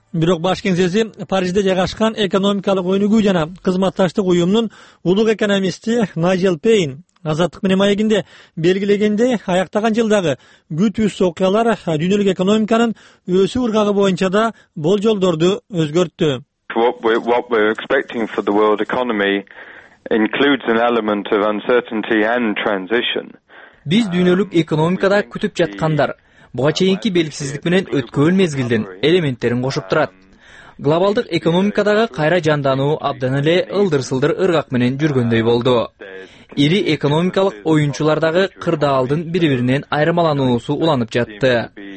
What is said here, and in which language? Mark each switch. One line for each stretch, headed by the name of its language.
Kyrgyz: Бирок баш кеңсеси Парижде жайгашкан экономикалык өнүгүү жана кызматташтык уюмунун улук экономисти Найжел Пейн Азаттык менен маегинде белгилегендей, аяктаган жылдагы күтүүсүз окуялар дүйнөлүк экономиканын өсүү ыргагы боюнча да болжолдорду өзгөрттү.
English: What we're expecting for the world economy includes an element of uncertainty and transition.
Kyrgyz: Биз дүйнөлүк экономикада күтүп жаткандар буга чейинки белгисиздик менен өткөн мезгилдин элементтерин кошуп турат. Глобалдык экономикадагы кайра жандануу абдан эле ылдыр-сылдыр ыргак менен жүргөндөй болду. Ири экономикалык оюнчулар дагы кырдаалдын бири-биринен айырмалануусу уланып жатты.